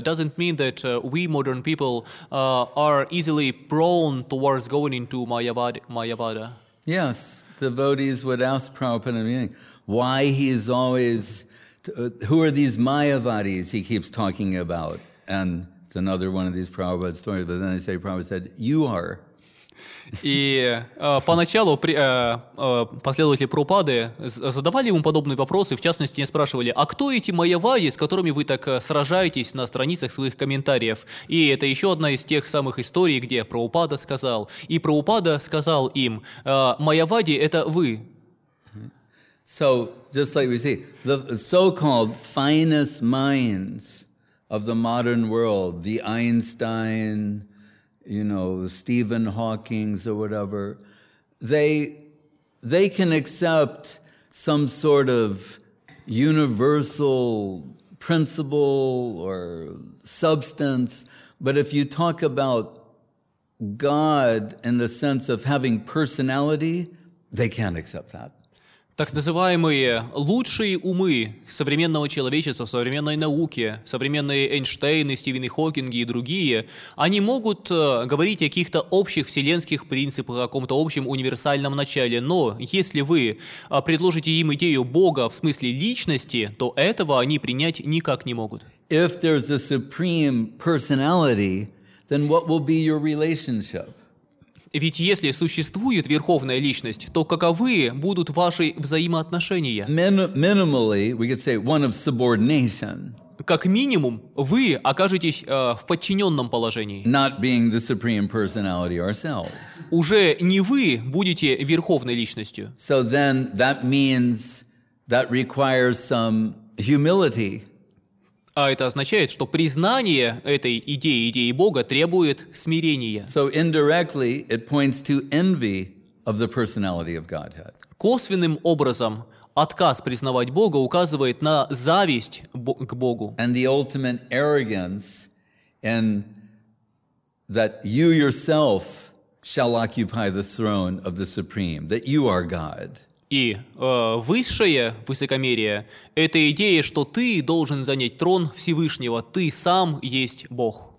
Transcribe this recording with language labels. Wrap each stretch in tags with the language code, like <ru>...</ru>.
<en>Doesn't mean that we modern people are easily prone towards going into Mayavada. Yes, devotees would ask Prabhupada in the beginning, why he is always, who are these Mayavadis he keeps talking about? And it's another one of these Prabhupada stories, but then they say, Prabhupada said, you are.</en> <ru>И поначалу последователи Прабхупады задавали ему подобные вопросы, в частности, не спрашивали, а кто эти майявади, с которыми вы так сражаетесь на страницах своих комментариев? И это еще одна из тех самых историй, где Прабхупада сказал. И Прабхупада сказал им, майявади — это вы.</ru> <en>So, just like we see, the so-called finest minds of the modern world, the Einstein, you know, Stephen Hawking's or whatever, they can accept some sort of universal principle or substance, but if you talk about God in the sense of having personality, they can't accept that.</en> <ru>Так называемые лучшие умы современного человечества, современной науки, современные Эйнштейны, Стивены Хокинги и другие, они могут говорить о каких-то общих вселенских принципах, о каком-то общем универсальном начале. Но если вы предложите им идею Бога в смысле личности, то этого они принять никак не могут.</ru> <en>If there's a supreme personality, then what will be your relationship?</en> <ru>Ведь если существует верховная личность, то каковы будут ваши взаимоотношения?</ru> <en>Minimally, we could say one of subordination.</en> <ru>Как минимум, вы окажетесь в подчиненном положении.</ru> <en>Not being the supreme personality ourselves.</en> <ru>Уже не вы будете верховной личностью.</ru> <en>So then that means that requires some humility.</en> <ru>А это означает, что признание этой идеи, идеи Бога, требует смирения.</ru> <en>So indirectly it points to envy of the personality of Godhead.</en> <ru>Косвенным образом отказ признавать Бога указывает на зависть к Богу.</ru> <en>And the ultimate arrogance in that you yourself shall occupy the throne of the Supreme, that you are God.</en> <ru>И высшее высокомерие — это идея, что ты должен занять трон Всевышнего, ты сам есть Бог.</ru>